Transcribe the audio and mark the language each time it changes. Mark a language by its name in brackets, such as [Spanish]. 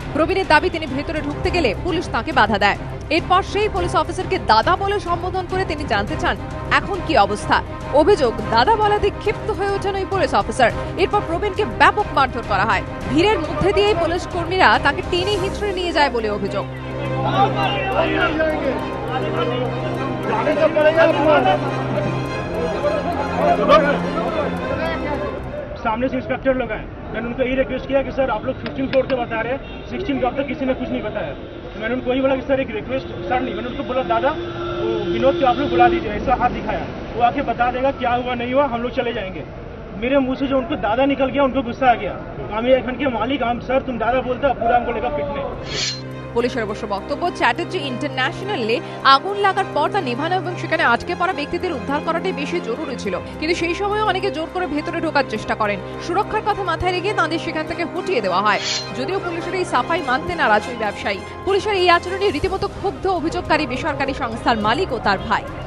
[Bangla] প্রবীণের দাবি, তিনি ভেতরে ঢুকতে গেলে পুলিশ তাঁকে বাধা দেয়। এরপর সেই পুলিশ অফিসারকে দাদা বলে সম্বোধন করে তিনি জানতে চান এখন কি অবস্থা। অভিযোগ, দাদা বলাতে ক্ষিপ্ত হয়ে ওঠেন ওই পুলিশ অফিসার। এরপর প্রবীণকে ব্যাপক মারধর করা হয়, ভিড়ের মধ্যে দিয়েই পুলিশ কর্মীরা তাকে টেনে হিঁচড়ে নিয়ে যায় বলে অভিযোগ। [Hindi] सामने से इंस्पेक्टर लोग हैं। मैंने उनको यही रिक्वेस्ट किया कि सर आप लोग 15 फ्लोर से बता रहे हैं, 16 फ्लोर तक किसी ने कुछ नहीं बताया। तो मैंने उनको यही बोला कि सर एक रिक्वेस्ट सर नहीं, मैंने उनको बोला दादा वो विनोद को आप लोग बुला लीजिए, ऐसा हाथ दिखाया, वो आके बता देगा क्या हुआ नहीं हुआ, हम लोग चले जाएंगे। मेरे मुँह से जो उनको दादा निकल गया उनको गुस्सा आ गया, हम एक घंटे मालिक हम सर तुम दादा बोलते हो पूरा हमको लेगा पिटने। [Bangla] পুলিশের অবশ্য বক্তব্য, চ্যাটার্জি ইন্টারন্যাশনালে আগুন লাগার পর তা নেভানো এবং সেখানে আটকে পড়া ব্যক্তিদের উদ্ধার করাটাই বেশি জরুরি ছিল, কিন্তু সেই সময় অনেকে জোর করে ভেতরে ঢোকার চেষ্টা করেন, সুরক্ষার কথা মাথায় রেখে তাদের সেখান থেকে হটিয়ে দেওয়া হয়। যদিও পুলিশের এই সাফাই মানতে নারাজ ওই ব্যবসায়ী, পুলিশের এই আচরণে রীতিমতো ক্ষুব্ধ অভিযোগকারী বেসরকারি সংস্থার মালিক ও তার ভাই।